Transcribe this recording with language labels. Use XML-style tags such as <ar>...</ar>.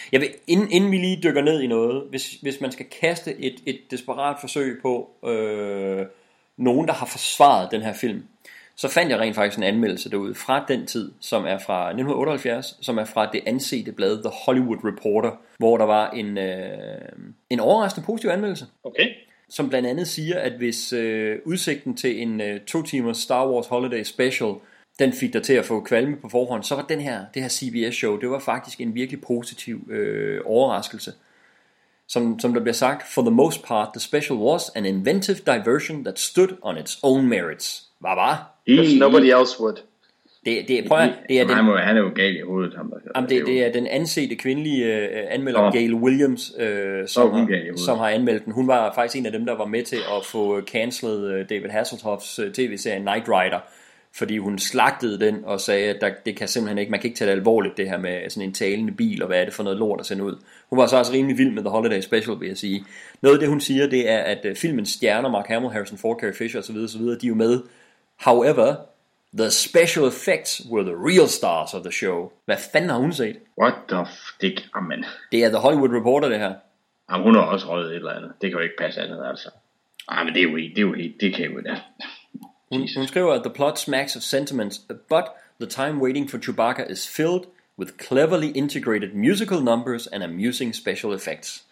<da>Jeg vil, inden vi lige dykker ned i noget, hvis man skal kaste et desperat forsøg på nogen, der har forsvaret den her film, så fandt jeg rent faktisk en anmeldelse derude fra den tid, som er fra 1978, som er fra det ansete blad The Hollywood Reporter, hvor der var en overraskende positiv anmeldelse. Okay. Som blandt andet siger, at hvis udsigten til en 2 timers Star Wars Holiday Special, den fik dig til at få kvalme på forhånd, så var det her CBS-show, det var faktisk en virkelig positiv overraskelse. Som der bliver sagt,</da> <en>for the most part, the special was an inventive diversion that stood on its own merits.</en> <da>Hva?</da> <en>If nobody else would.</en> <da>Han er jo gal i hovedet, ham der. Jamen, det er den ansete kvindelige anmelder, Gail Williams, som har anmeldt den. Hun var faktisk en af dem, der var med til at få cancelled David Hasselhoffs tv-serie Knight Rider, fordi hun slagtede den og sagde, at det kan simpelthen ikke, man kan ikke tage det alvorligt, det her med sådan en talende bil, og hvad er det for noget lort at sende ud. Hun var så også rimelig vild med The Holiday Special, vil jeg sige. Noget af det, hun siger, det er, at filmens stjerner, Mark Hamill, Harrison Ford, Carrie Fisher osv., de er jo med.</da> <en>However, the special effects were the real stars of the show.</en> <da>Hvad fanden har hun set?</da> <en>What the fuck, man?</en> <da>Det er The Hollywood Reporter, det her. Jamen, hun har også røget et eller andet. Det kan jo ikke passe andet, altså. Ej, men det er jo ikke, det er jo ikke, det kan jo da. Hun skriver,</da> <en>the plot smacks of sentiments, but the time waiting for Chewbacca is filled with cleverly integrated musical numbers and amusing special effects.</en>